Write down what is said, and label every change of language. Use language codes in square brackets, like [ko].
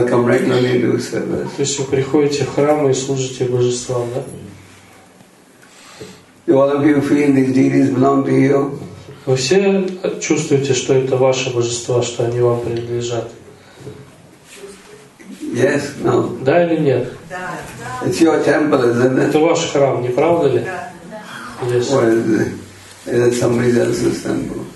[ru] То есть вы приходите в храм и служите божествам, да? [en] Do all of you feel these deities belong to you? [ru] Вы все чувствуете, что это ваше божество, что они вам принадлежат? [en] Yes, no. [ru] Да или нет? Да. [en] It's your temple, isn't it? [ru] Это ваш храм, не правда ли? Да. [en] Yes. Or is it somebody else's temple?